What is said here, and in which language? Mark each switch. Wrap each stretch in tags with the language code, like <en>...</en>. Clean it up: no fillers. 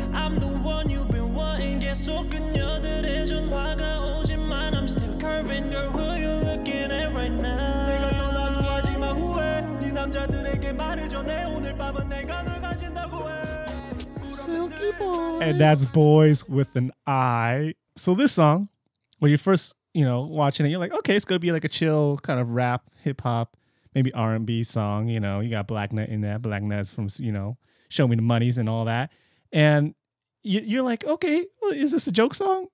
<en>I'm the one you've been wanting. Get so good,</en> <ko>녀들의 전화가 오지만</ko> <en>I'm still curving. Girl, who you looking at right now?</en> <ko>내가 떠나도 하지 마 후회. 네 남자들에게 말을 전해. 오늘 밤은 내가 널 가진다고 해.</ko> <en>Silky boys. And that's boys with an I. So this song, when you first, you know, watching it, you're like, okay, it's gonna be like a chill kind of rap, hip hop. Maybe R&B song, you know, you got Black Nut in that. Black Nut's from, you know, Show Me the Monies and all that. And you're like, okay, well, is this a joke song?</en>